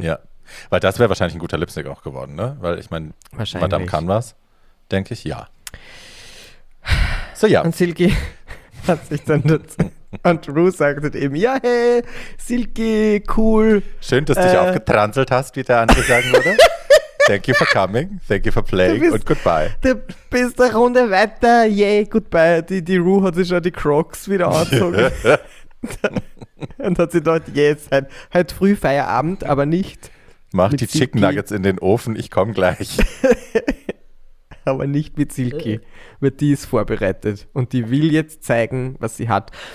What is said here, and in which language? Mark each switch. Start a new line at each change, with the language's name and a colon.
German: Ja, weil das wäre wahrscheinlich ein guter Lip-Sync auch geworden, ne? Weil ich meine, Madame kann was, denke ich, ja. So, ja. Und Silky hat sich dann dazu. Und Ru sagte eben, ja, hey, Silky, cool. Schön, dass du dich auch getranselt hast, wie der andere sagen würde.
English: Thank you for coming, thank you for playing
German: bist, und
English: goodbye.
German: Du bist eine Runde weiter, yay, goodbye. Die Ru hat sich schon die Crocs wieder angezogen. Und hat sie dort, yes, halt früh Feierabend, aber nicht. Mach die Silky. Chicken Nuggets in den Ofen, ich komme gleich. Aber nicht mit Silky, weil die ist vorbereitet und die will jetzt zeigen, was sie hat.